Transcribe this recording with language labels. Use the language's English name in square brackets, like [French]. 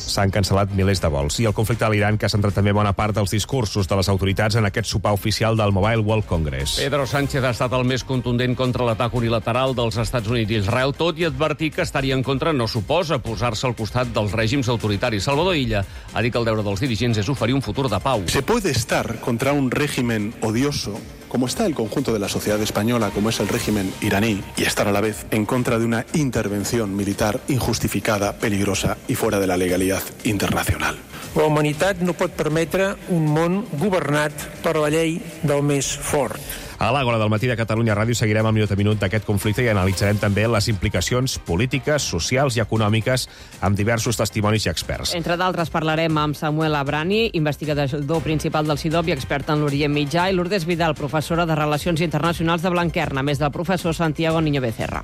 [Catalan] S'han cancel·lat milers de vols. I el conflicte a l'Iran, que ha centrat també bona part dels discursos de les autoritats en aquest sopar oficial del Mobile World Congress. Pedro Sánchez ha estat el més contundent contra l'atac unilateral dels Estats Units i Israel, tot i advertir que estaria en contra no suposa posar-se al costat dels règims autoritaris. Salvador Illa ha dit que el deure dels dirigents és oferir un futur de pau. [Spanish] Se puede estar contra un régimen odioso, como está el conjunto de la sociedad española, como es el régimen iraní, y estar a la vez en contra de una intervención militar injustificada, peligrosa y fuera de la legalidad internacional. [Catalan] La humanitat no pot permetre un món governat per la llei del més fort. A l'Àgora del Matí de Catalunya Ràdio seguirem el minut a minut d'aquest conflicte i analitzarem també les implicacions polítiques, socials i econòmiques amb diversos testimonis i experts. Entre d'altres parlarem amb Samuel Abrani, investigador principal del CIDOB i expert en l'Orient Mitjà, i Lourdes Vidal, professora de Relacions Internacionals de Blanquerna, més del professor Santiago Niño Becerra.